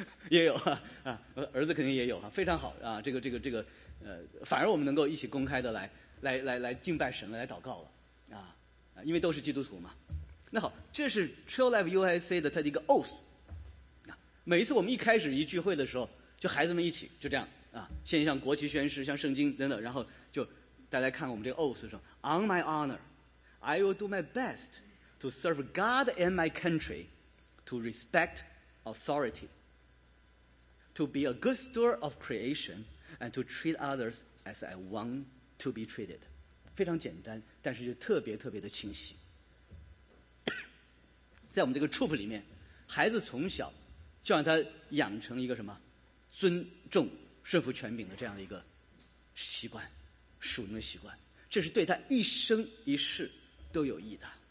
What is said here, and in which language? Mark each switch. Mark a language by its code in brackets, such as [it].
[zh] 也有儿子肯定也有非常好啊。这个反而我们能够一起公开的来敬拜神了，来祷告了啊，因为都是基督徒嘛。那好，这是 Trail Life USA 的它的一个 oath 啊。每一次我们一开始一聚会的时候，就孩子们一起就这样啊，先向国旗宣誓，向圣经等等，然后就大家看我们这个 oath 说 ， [en] On my honor, I will do my best。 To serve God and my country, to respect authority, to be a good steward of creation, and to treat others as I want to be treated. [zh] 非常简单，但是就特别特别的清晰。在我们这个 troop 里面，孩子从小就让他养成一个什么尊重顺服权柄的这样一个习惯，属灵的习惯，这是对他一生一世都有益的。